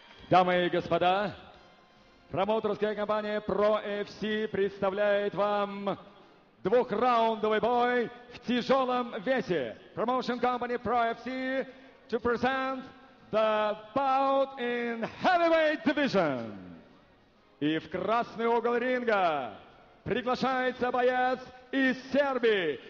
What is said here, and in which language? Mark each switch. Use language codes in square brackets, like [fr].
[ru] Дамы и господа, промоутерская компания ProFC представляет вам двухраундовый бой в тяжелом весе. [en] Promotion company ProFC to present the bout in heavyweight division. [ru] И в красный угол ринга приглашается боец из Сербии.